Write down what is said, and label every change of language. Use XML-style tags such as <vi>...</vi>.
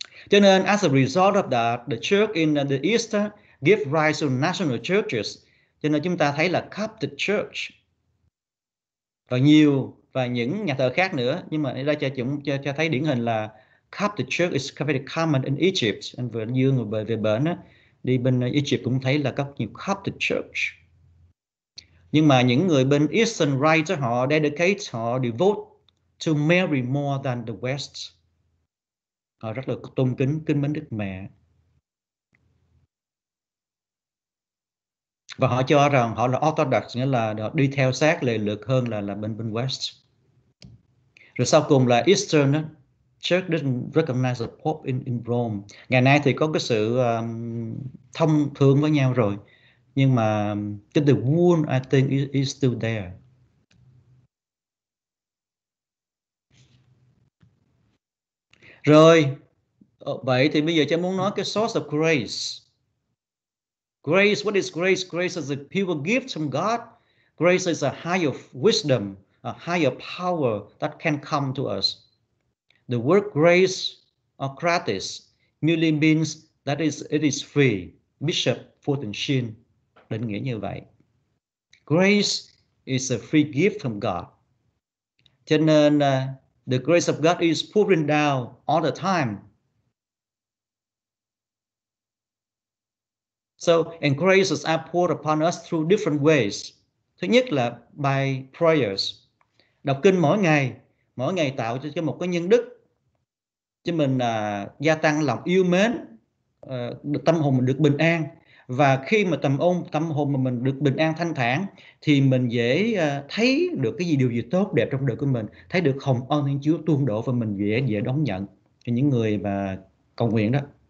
<vi>Cho nên</vi> <en>as a result of that, the church in the East gave rise to national churches.</en> <vi>Cho nên chúng ta thấy là Coptic Church và nhiều và những nhà thờ khác nữa, nhưng mà đây cho thấy điển hình là Coptic Church</vi> <en>is very common in Egypt.</en> <vi>Anh vừa dương về về bển á, đi bên Egypt cũng thấy là có nhiều Coptic Church. Nhưng mà những người bên</vi> <en>Eastern Rite họ dedicate, họ devote to Mary more than the West.</en> <vi>Họ rất là tôn kính, kính mến Đức Mẹ. Và họ cho rằng họ là Orthodox, nghĩa là họ đi theo sát lề luật hơn là bên bên West. Rồi sau cùng là</vi> <en>Eastern Church didn't recognize the Pope in Rome.</en> <vi>Ngày nay thì có cái sự thông thường với nhau rồi. Nhưng mà cái</vi> <en>the wound I think is still there.</en> <vi>Rồi, vậy thì bây giờ cha muốn nói cái source of grace.</vi> <en>Grace, what is grace? Grace is a pure gift from God. Grace is a higher wisdom, a higher power that can come to us. The word grace or gratis merely means that it is free.</en> <vi>Bishop Fulton Sheen định nghĩa như vậy.</vi> <en>Grace is a free gift from God.</en> <vi>Cho nên</vi> <en>the grace of God is pouring down all the time. So, and graces are poured upon us through different ways.</en> <vi>Thứ nhất là</vi> <en>by prayers.</en> <vi>Đọc kinh mỗi ngày tạo cho một cái nhân đức. Cho mình gia tăng lòng yêu mến, tâm hồn mình được bình an. Và khi mà tâm hồn mà mình được bình an thanh thản thì mình dễ thấy được cái gì, điều gì tốt đẹp trong đời của mình, thấy được hồng ân Thiên Chúa tuôn đổ và mình dễ dễ đón nhận cho những người mà cầu nguyện đó.</vi>